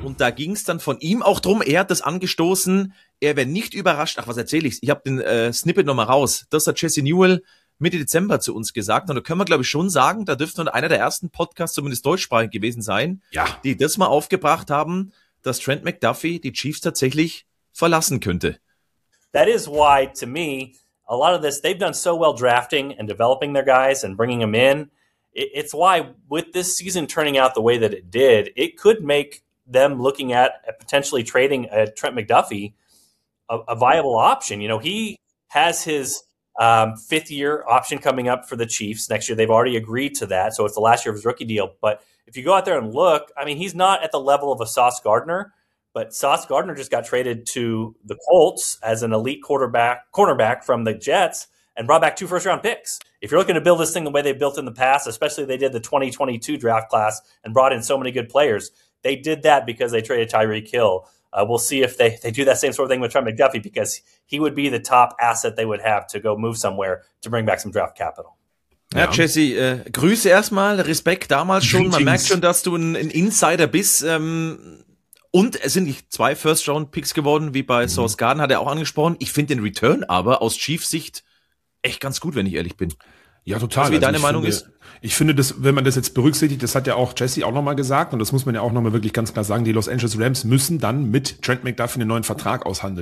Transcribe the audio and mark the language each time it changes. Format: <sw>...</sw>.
<de>Und da ging es dann von ihm auch drum, er hat das angestoßen, er wäre nicht überrascht. Ach, was erzähle ich? Ich habe den Snippet nochmal raus. Das hat Jesse Newell Mitte Dezember zu uns gesagt. Und da können wir, glaube ich, schon sagen, da dürfte einer der ersten Podcasts, zumindest deutschsprachig gewesen sein, die das mal aufgebracht haben, dass Trent McDuffie die Chiefs tatsächlich verlassen könnte.</de> <en>That is why, to me, a lot of this, they've done so well drafting and developing their guys and bringing them in. It's why with this season turning out the way that it did, it could make them looking at potentially trading a Trent McDuffie a viable option. You know, he has his fifth year option coming up for the Chiefs next year. They've already agreed to that. So it's the last year of his rookie deal. But if you go out there and look, I mean, he's not at the level of a Sauce Gardner. But Sauce Gardner just got traded to the Colts as an elite cornerback from the Jets and brought back two first-round picks. If you're looking to build this thing the way they built in the past, especially they did the 2022 draft class and brought in so many good players, they did that because they traded Tyreek Hill. We'll see if they do that same sort of thing with Trent McDuffie because he would be the top asset they would have to go move somewhere to bring back some draft capital.</en> <de>Ja, Jesse, Grüße erstmal, Respekt damals schon. Man merkt schon, dass du ein Insider bist. Und es sind nicht zwei First-Round-Picks geworden, wie bei Sauce Gardner, hat er auch angesprochen. Ich finde den Return aber aus Chiefs-Sicht echt ganz gut, wenn ich ehrlich bin. Ja, total. Also, deine Meinung ist? Ich finde, das, wenn man das jetzt berücksichtigt, das hat ja auch Jesse auch nochmal gesagt, und das muss man ja auch nochmal wirklich ganz klar sagen, die Los Angeles Rams müssen dann mit Trent McDuffie einen neuen Vertrag aushandeln.</de>